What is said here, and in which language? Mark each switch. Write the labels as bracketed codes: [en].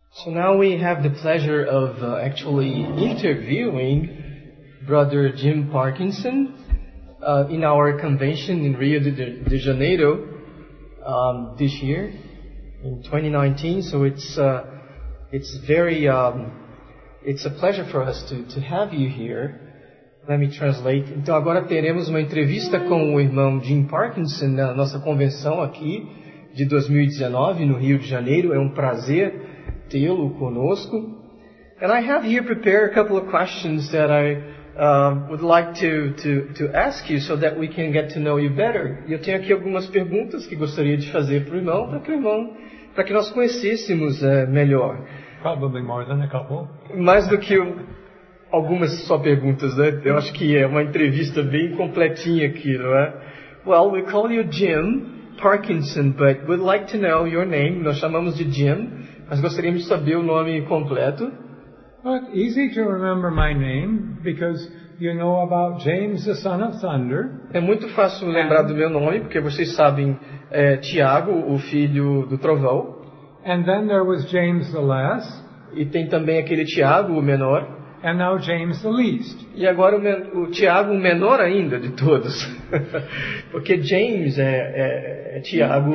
[en] So now we have the pleasure of actually interviewing Brother Jim Parkinson in our convention in Rio de Janeiro this year, in 2019. So it's a pleasure for us to have you here. Let me translate. [pt] Então agora teremos uma entrevista com o irmão Jim Parkinson na nossa convenção aqui de 2019 no Rio de Janeiro. É um prazer tê-lo conosco. [en] And I have here prepared a couple of questions that I would like to ask you so that we can get to know you better. [pt] Eu tenho aqui algumas perguntas que gostaria de fazer para o irmão, para que nós conhecêssemos melhor. [en] Probably more than a couple. [pt] Mais do que algumas só perguntas, né? Eu acho que é uma entrevista bem completinha aqui, não é? [en] Well, we call you Jim Parkinson, but we'd like to know your name. [pt] Nós chamamos de Jim, mas gostaríamos de saber o nome completo. [en] But easy to remember my name because you know about James, the son of thunder. [pt] É muito fácil lembrar do meu nome porque vocês sabem Tiago, o filho do trovão. [en] And then there was James the less. [pt] E tem também aquele Tiago, o menor. [en] And now James the least. [pt] E agora o Tiago, o menor ainda de todos. Porque James é Tiago